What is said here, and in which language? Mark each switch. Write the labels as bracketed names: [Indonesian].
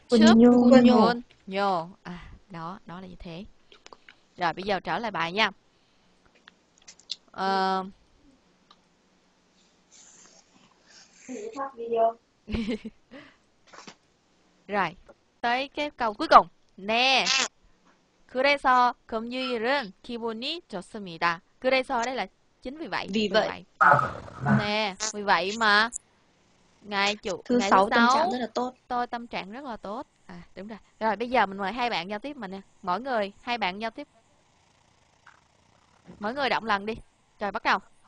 [Vietnamese] cùn nhô. Đó là như thế. Rồi bây giờ trở lại bài nha. Rồi, tới cái câu cuối cùng. Nè. [Korean] 그래서 금요일은 기분이 좋습니다. [Vietnamese] 그래서 đây là chính vì vậy. Vì vậy. Nè, vì vậy mà ngày chủ thứ ngày sáu tâm trạng rất là tốt. Tôi tâm trạng rất là tốt. À đúng rồi. Rồi bây giờ mình mời hai bạn giao tiếp mình nè. Mỗi người hai bạn giao tiếp. Mỗi người động lần đi. Rồi bắt đầu.